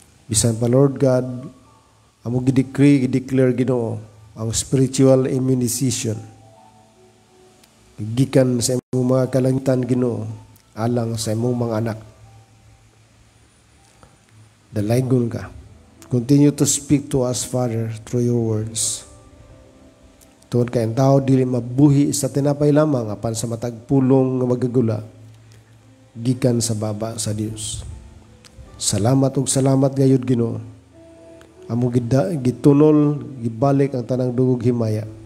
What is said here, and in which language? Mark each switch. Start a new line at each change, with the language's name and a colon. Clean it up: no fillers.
Cebuano: Bisan pa Lord God, among gidecree, gideclare Ginoo ang spiritual immunization gikan sa imong mga kalangitan Ginoo, alang sa imong mga anak. Dalaygon ka.
English: Continue to speak to us, Father, through your words.
Cebuano: Tuod ka ang tao dili mabuhi sa tinapay lamang apan sa matag pulong nga magagula gikan sa baba sa Dios. Salamat ug salamat gayud Ginoo. Amo gitunol gibalik ang tanang dugog himaya.